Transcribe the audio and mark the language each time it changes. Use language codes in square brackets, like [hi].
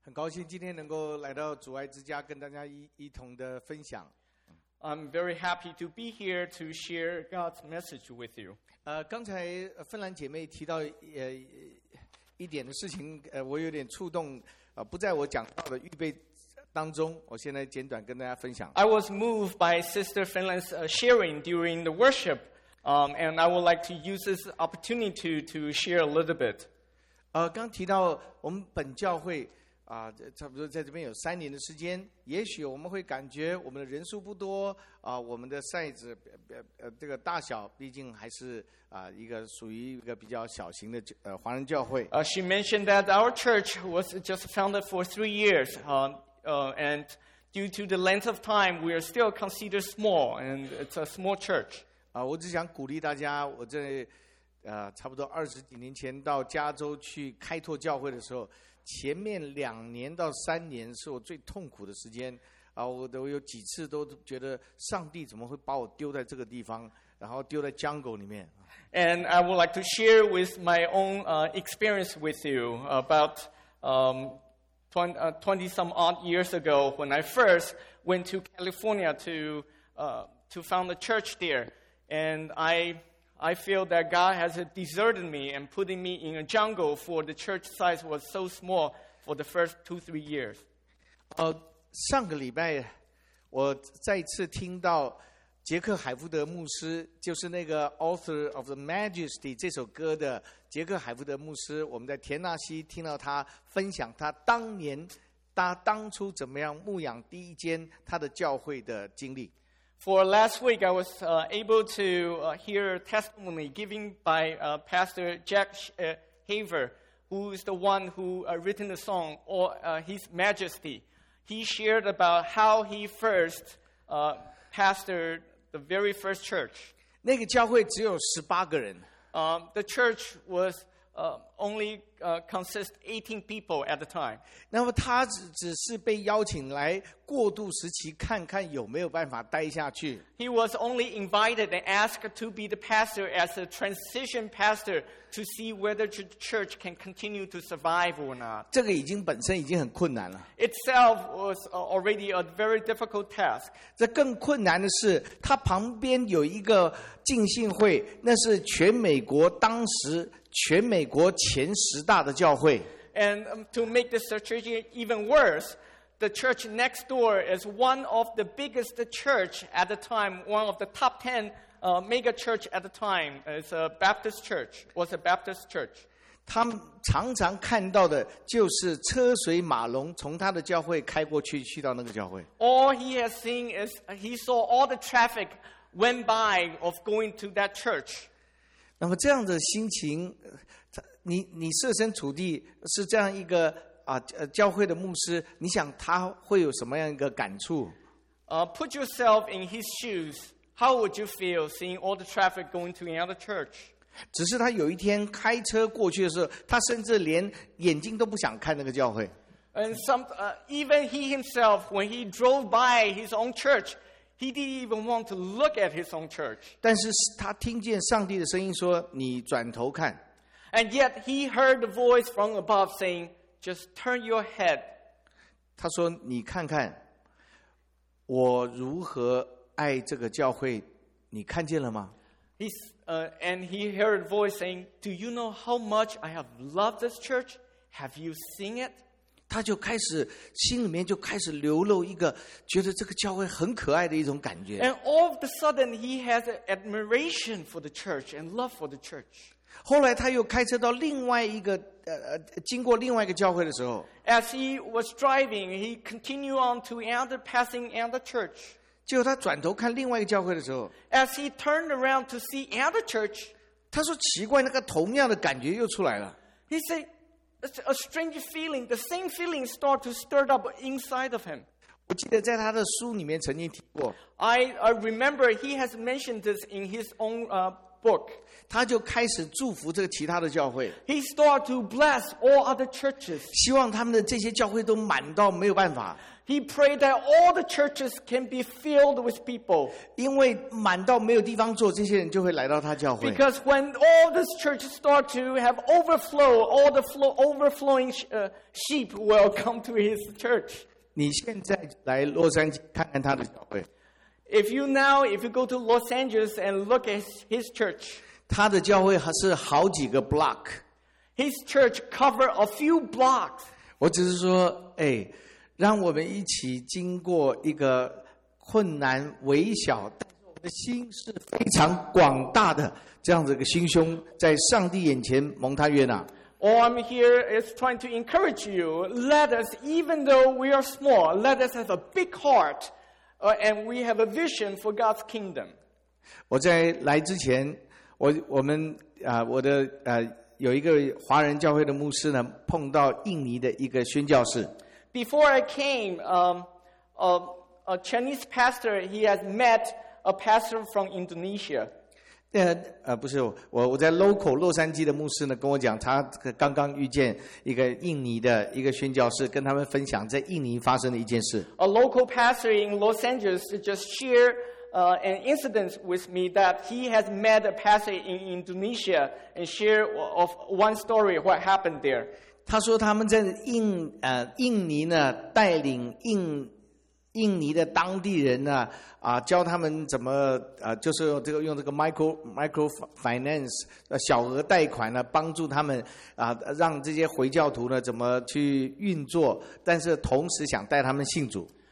[zh] 高兴今天能够来到主爱之家跟大家 一同的分享。 [en] I'm very happy to be here to share God's message with you. [zh] 刚才芬兰姐妹提到一点的事情，我有点触动，不在我讲到的预备当中，我现在简短跟大家分享。 [en] I was moved by Sister Finland's sharing during the worship, and I would like to use this opportunity to share a little bit. [zh] 刚提到我们本教会差不多在这边有三年的时间，也许我们会感觉我们的人数不多我们的 size 这个大小毕竟还是一个属于一个比较小型的华人教会。 [en] She mentioned that our church was just founded for 3 years, and due to the length of time, we are still considered small, and it's a small church. [zh] 我只想鼓励大家，我在差不多二十几年前到加州去开拓教会的时候，前面两年到三年是我最痛苦的时间我有几次都觉得上帝怎么会把我丢在这个地方，然后丢在 jungle 里面。 [en] And I would like to share with my own experience with you about 20 some odd years ago when I first went to California to found a church there. And I feel that God has deserted me and putting me in a jungle for the church size was so small for the first 2-3 years. [zh] 上个礼拜我再次听到杰克海福德牧师，就是那个 Author of the Majesty 这首歌的杰克海福德牧师，我们在田纳西听到他分享他当年他当初怎么样牧养第一间他的教会的经历。 [en] For last week, I was able to hear a testimony given by Pastor Jack Haver, who is the one who written the song, or His Majesty. He shared about how he first pastored the very first church. [zh] 那个教会只有18个人。 [en] The church was only consist 18 people at the time. [zh] 那么他只是被邀请来过渡时期看看有没有办法待下去。 [en] He was only invited and asked to be the pastor as a transition pastor to see whether the church can continue to survive or not. [zh] 这个已经本身已经很困难了。 [en] Itself was already a very difficult task. [zh] 这更困难的是他旁边有一个浸信会，那是全美国当时全美国前十大的教会。 [en] And to make the situation even worse, the church next door is one of the biggest church at the time, one of the top 10 mega church at the time. It's a Baptist church. Was a Baptist church. [zh] 他们常常看到的就是车水马龙从他的教会开过去，去到那个教会。 [en] All he has seen is he saw all the traffic went by of going to that church. [zh] 那么这样的心情，你设身处地是这样一个教会的牧师，你想他会有什么样一个感触？ [en] Put yourself in his shoes. How would you feel seeing all the traffic going to another church? [zh] 只是他有一天开车过去的时候，他甚至连眼睛都不想看那个教会。 [en] And some even he himself when he drove by his own church, he didn't even want to look at his own church. [zh] 但是他听见上帝的声音说：“你转头看。” [en] And yet he heard the voice from above saying, "Just turn your head." [zh] 他说：“你看看我如何爱这个教会，你看见了吗？” [en] And he heard a voice saying, "Do you know how much I have loved this church? Have you seen it?" [zh] 他就开始心里面就开始流露一个觉得这个教会很可爱的一种感觉。 [en] And all of a sudden he has admiration for the church and love for the church. [zh] 后来他又开车到另外一个经过另外一个教会的时候， [en] As he was driving, he continued on to another passing another church. [zh] 结果他转头看另外一个教会的时候， [en] As he turned around to see another church, [zh] 他说奇怪，那个同样的感觉又出来了。 [en] He said,A strange feeling, the same feeling started to stir up inside of him. [zh] 我记得在他的书里面曾经提过。 [en] I remember he has mentioned this in his own book. [zh] 他就开始祝福这个其他的教会。 [en] He started to bless all other churches. [zh] 希望他们的这些教会都满到没有办法。 [en] He prayed that all the churches can be filled with people. [zh] 因为满到没有地方坐，这些人就会来到他教会。 [en] Because when all these churches start to have overflow, all the overflowing sheep will come to his church. [zh] 你现在来洛杉矶看看他的教会。 [en] If you now, if you go to Los Angeles and look at his church, [zh] 他的教会还是好几个 block. [en] His church covers a few blocks. [zh] 我只是说，哎，让我们一起经过一个困难微小，但是我们的心是非常广大的这样子一个心胸，在上帝眼前蒙他悦纳。 [en] All I'm here is trying to encourage you. Let us, even though we are small, let us have a big heart. And we have a vision for God's kingdom. [zh] 我在来之前，我们啊、我的啊、有一个华人教会的牧师呢，碰到印尼的一个宣教士。 [en] Before I came, a Chinese pastor he had met a pastor from Indonesia. [zh] 不是我在 local 洛杉矶的牧师呢，跟我讲他刚刚遇见一个印尼的一个宣教士，跟他们分享在印尼发生的一件事。 [en] A local pastor in Los Angeles just shared an incident with me that he has met a pastor in Indonesia and shared of one story what happened there. [zh] 他说他们在印尼呢，带领印尼的当地人呢，教他们怎么就是用这个 micro finance 小额贷款呢，帮助他们让这些回教徒呢怎么去运作，但是同时想带他们信主。